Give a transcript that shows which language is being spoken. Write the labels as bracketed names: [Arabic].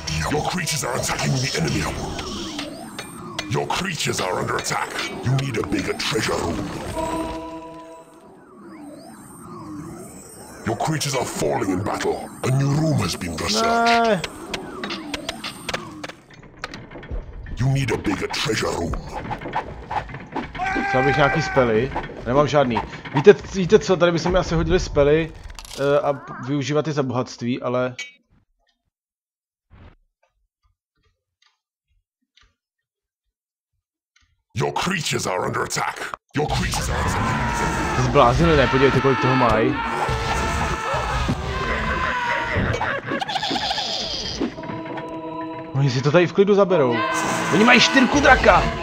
[English] Your creatures are attacking the enemy. Your creatures are under attack. You need a bigger treasure room. Your creatures are falling in battle. A new room has been researched. You need a bigger treasure room. [Czech] Chtěl bych nějaký spely. Nemám žádný. Víte co, tady by se mi asi hodili spely a využívat je za bohatství, ale... [English] Your creatures are under attack. Your creatures are under attack. [Czech] To zblázili, ne? Podívejte, kolik toho mají. Oni si to tady v klidu zaberou. Oni mají 4 draka!